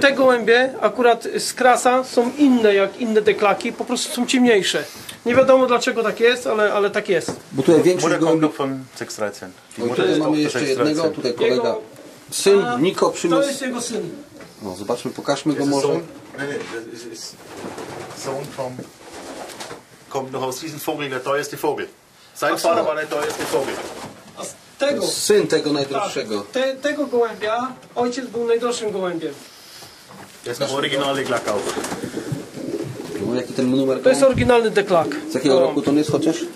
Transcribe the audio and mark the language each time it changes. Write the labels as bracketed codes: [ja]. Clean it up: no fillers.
[pl] Te gołębie akurat z krasa są inne jak inne deklaki, po prostu są ciemniejsze. Nie wiadomo dlaczego tak jest, ale tak jest. Bo tutaj większość gołębi... Tutaj mamy jeszcze jednego, tutaj kolega. Syn Niko przyniósł. To jest jego syn. No, zobaczmy, pokażmy go może. [de] Sohn vom... Kommt noch aus diesem Vogel, der teuerste Vogel. Sein Vater war der teuerste Vogel. [pl] Tego. Syn tego najdroższego. Tak, tego gołębia, ojciec był najdroższym gołębiem. Jest to oryginalny deklaka. No, jaki ten numer? To jest oryginalny deklak. Z jakiego roku to jest chociaż?